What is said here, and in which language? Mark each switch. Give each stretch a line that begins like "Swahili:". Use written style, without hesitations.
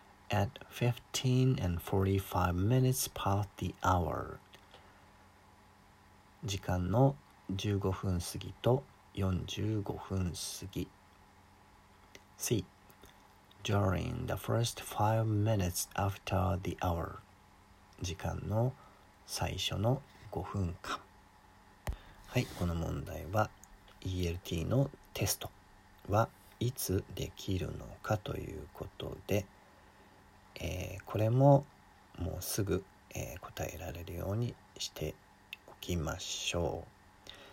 English: At 15 and 45 minutes past the hour.
Japanese: 時間の15分過ぎと45分過ぎ。
English: C. During the first 5 minutes after the hour.
Japanese: 時間の最初の5分間。はい、この問題は ELT のテストはいつできるのかということで、これももうすぐ、答えられるようにしておきましょう。